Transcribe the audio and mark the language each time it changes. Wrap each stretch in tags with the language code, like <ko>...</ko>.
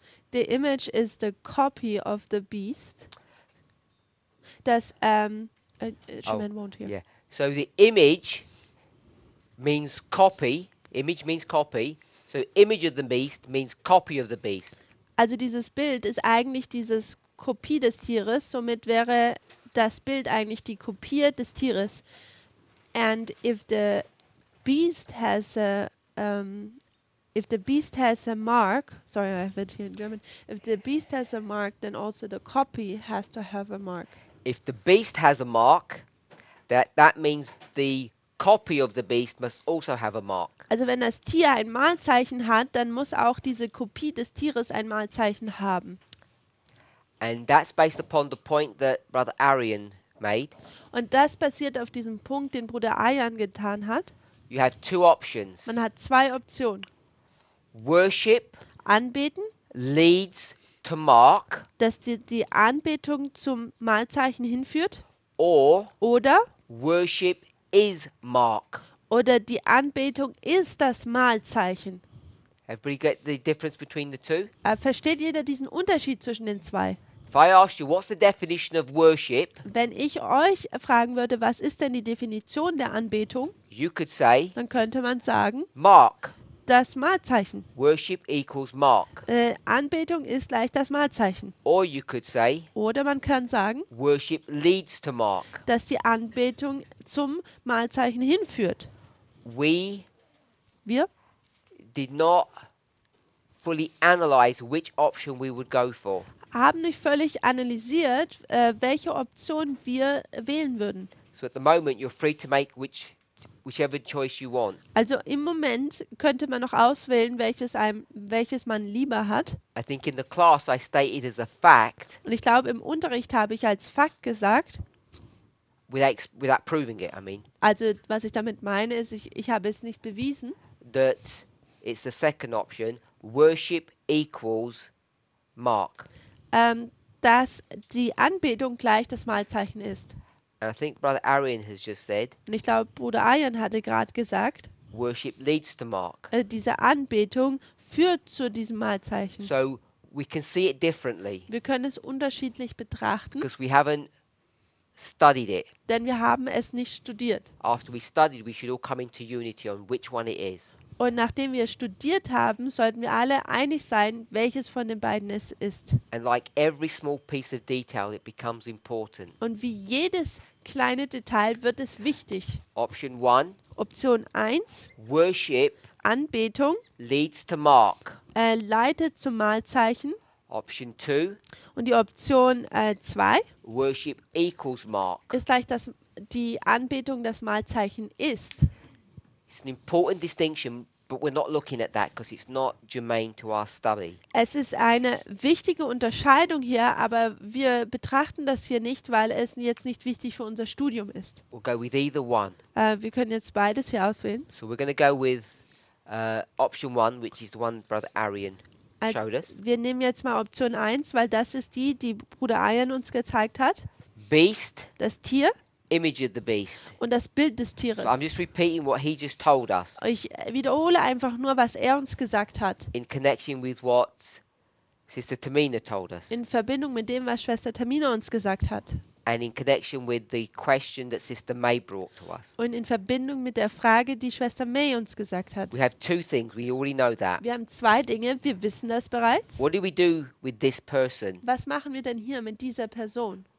<en>The image is the copy of the beast. Das Shaman won't hear. Yeah. So the image means copy. Image means copy. So image of the beast means copy of the beast.</en> <de>Also dieses Bild ist eigentlich dieses Kopie des Tieres. Somit wäre das Bild eigentlich die Kopie des Tieres.</de> <en>And if the beast has a mark, then also the copy has to have a mark. If the beast has a mark, that means the copy of the beast must also have a mark.</en> <de>Also wenn das Tier ein Malzeichen hat, dann muss auch diese Kopie des Tieres ein Malzeichen haben.</de> <en>And that's based upon the point that Brother Arian made.</en> <de>Und das basiert auf diesem Punkt, den Bruder Arian getan hat.</de> <en>You have two options.</en> <de>Man hat zwei Optionen.</de> <en>Worship.</en> <de>Anbeten.</de> <en>Leads to mark.</en> <de>Dass die Anbetung zum Malzeichen hinführt.</de> <en>Oder. Worship is mark.</en> <de>Oder die Anbetung ist das Malzeichen.</de> <en>Everybody get the difference between the two?</en> <de>Versteht jeder diesen Unterschied zwischen den zwei?</de> <en>If I ask you, what's the definition of worship?</en> <de>Wenn ich euch fragen würde, was ist denn die Definition der Anbetung?</de> <en>You could say.</en> <de>Dann könnte man sagen.</de> <en>Mark.</en> <de>das Markzeichen.</de> <en>Worship equals mark.</en> <de>Anbetung ist gleich das Markzeichen.</de> <en>Or you could say,</en> <de>oder man kann sagen,</de> <en>worship leads to mark.</en> <de>Dass die Anbetung zum Markzeichen hinführt.</de> <en>Wir did not fully analyze which option we would go for.</en> <de>Haben nicht völlig analysiert, welche Option wir wählen würden.</de> <en>So at the moment you're free to make whichever choice you want.</en> <de>Also im Moment könnte man noch auswählen, welches man lieber hat.</de> <en>I think in the class I stated as a fact.</en> <de>Und ich glaube, im Unterricht habe ich als Fakt gesagt.</de> <en>Without proving it, I mean.</en> <de>Also was ich damit meine, ist, ich habe es nicht bewiesen.</de> <en>That it's the second option. Worship equals mark.</en> <de>Dass die Anbetung gleich das Markzeichen ist.</de> <en>And I think Brother Arian has just said,</en> <de>und ich glaube, Bruder Arian hatte gerade gesagt,</de> <en>worship leads to mark.</en> <de>Diese Anbetung führt zu diesem Markzeichen.</de> <en>So we can see it differently.</en> <de>Wir können es unterschiedlich betrachten,</de> <en>because we haven't studied it.</en> <de>Denn wir haben es nicht studiert.</de> <en>After we studied, we should all come into unity on which one it is.</en> <de>Und nachdem wir studiert haben, sollten wir alle einig sein, welches von den beiden es ist.</de> <en>And like every small piece of detail, it becomes important.</en> <de>Und wie jedes kleine Detail wird es wichtig.</de> <en>Option one,</en> <de>Option 1.</de> <en>Worship.</en> <de>Anbetung.</de> <en>Leads to mark.</en> <de>Leitet zum Markzeichen.</de> <en>Option 2.</en> <de>Und die Option 2.</de> <en>Worship equals mark.</en> <de>Ist gleich, dass die Anbetung das Markzeichen ist.</de> <en>It's an important distinction, but we're not looking at that because it's not germane to our study.</en> <de>Es ist eine wichtige Unterscheidung hier, aber wir betrachten das hier nicht, weil es jetzt nicht wichtig für unser Studium ist.</de> <en>We'll go with either one.</en> <de>Wir können jetzt beides hier auswählen.</de> <en>So we're going to go with option one, which is the one Brother Arian showed us.</en> <de>Wir nehmen jetzt mal Option 1, weil das ist die, die Bruder Arian uns gezeigt hat.</de> <en>Beast.</en> <de>Das Tier.</de> <en>Image of the beast.</en> <de>Und das Bild des Tieres.</de> <en>So I'm just repeating what he just told us.</en> <de>Ich wiederhole einfach nur, was er uns gesagt hat.</de> <en>In connection with what Sister Tamina told us.</en> <de>In Verbindung mit dem, was Schwester Tamina uns gesagt hat.</de> <en>And in connection with the question that Sister May brought to us.</en> <de>Und in Verbindung mit der Frage, die Schwester May uns gesagt hat.</de> <en>We have two things. We already know that.</en> <de>Wir haben zwei Dinge. Wir wissen das bereits.</de> <en>What do we do with this person?</en> <de>Was machen wir denn hier mit dieser Person?</de>